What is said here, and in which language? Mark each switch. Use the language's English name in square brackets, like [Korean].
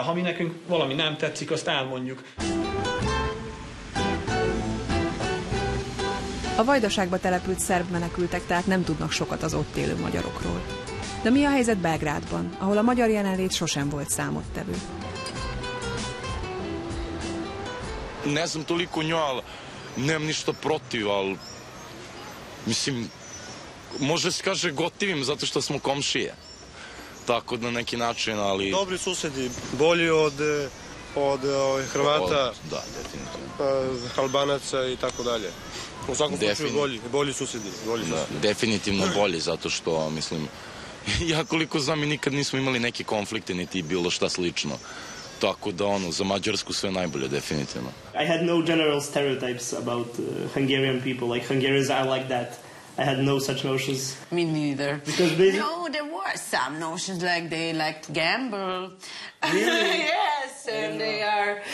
[Hungarian] Ha mi nekünk valami nem tetszik, azt elmondjuk. A Vajdaságba települt szerb menekültek, tehát nem tudnak sokat az ott élő magyarokról. De mi a helyzet Belgrádban, ahol a magyar jelenlét sosem volt számottevő? [Serbian] Nem toliko nyal, nem ništa protiv, al mislim može se kaže gotivim zato što smo komšije. Tako da neki način, ali dobri susedi, bolji od Hrvata, da, definitivno. Albanaca i tako dalje. U svakom slučaju bolji susedi, bolji susedi. Da, definitivno bolji zato što mislim ja koliko znam, mi nikad nismo imali neke konflikte, niti bilo šta slično. Tako da ono, za Mađarsku sve najbolje, definitivno. [English] I had no general stereotypes about Hungarian people, like Hungarians are like that. I had no such notions. Me neither. Because maybe... No, there were some notions, like they like to gamble. Really? Yes, and they are...